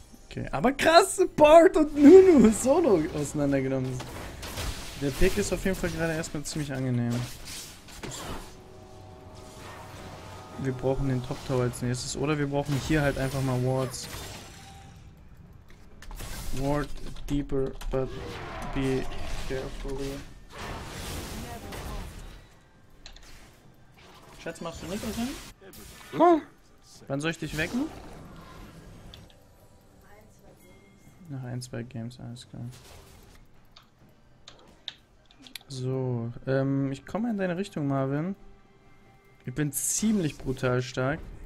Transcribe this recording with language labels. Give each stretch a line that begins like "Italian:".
German: Okay, aber krass, Bard und Nunu solo auseinandergenommen. Der Pick ist auf jeden Fall gerade erstmal ziemlich angenehm. Wir brauchen den Top Tower als nächstes. Oder wir brauchen hier halt einfach mal Wards.
English: Ward deeper, but be careful.
German: Schatz, machst du mit uns hin? Cool. Wann soll ich dich wecken? Nach ein, zwei Games, alles klar. So, ich komme in deine Richtung, Marvin. Ich bin ziemlich brutal stark.